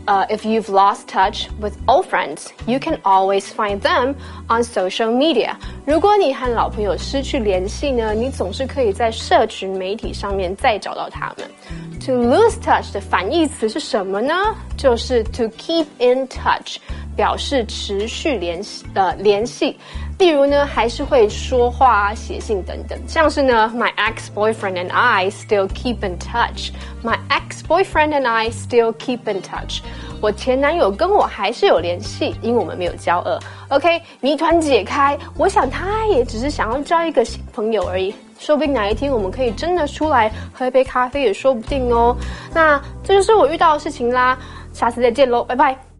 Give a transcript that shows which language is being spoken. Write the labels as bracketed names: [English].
[English] If you've lost touch with old friends, you can always find them on social media. [Chinese] 如果你和老朋友失去联系呢，你总是可以在社群媒体上面再找到他们。 [English] To lose touch [Chinese] 的反义词是什么呢？就是 [English] to keep in touch. [Chinese] 表示持续联系，例如呢还是会说话写信等等。像是呢 [English] My ex-boyfriend and I still keep in touch. My ex-boyfriend and I still keep in touch. [Chinese] 我前男友跟我还是有联系，因为我们没有交恶。 OK， 谜团解开，我想他也只是想要交一个新朋友而已，说不定哪一天我们可以真的出来喝一杯咖啡也说不定哦。那这就是我遇到的事情啦，下次再见咯，拜拜。